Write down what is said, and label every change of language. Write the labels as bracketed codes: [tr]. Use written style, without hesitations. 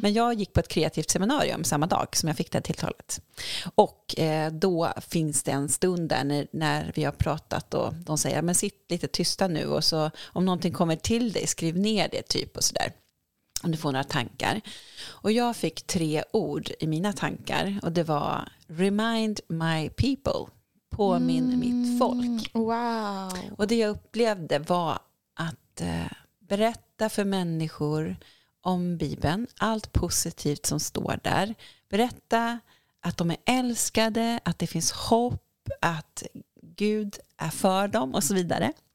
[sv] Men jag gick på ett kreativt seminarium samma dag som jag fick det här tilltalet. Och då finns det en stund där när vi har pratat och de säger, men sitt lite tysta nu och så om någonting kommer till dig, skriv ner det typ och sådär. Om du får några tankar. Och jag fick 3 ord i mina tankar. Och det var [en] remind my people. [sv] Påminn mitt folk. Wow. Och det jag upplevde var att berätta för människor om Bibeln. Allt positivt som står där. Berätta att de är älskade. Att det finns hopp. Att Gud är för dem och så vidare.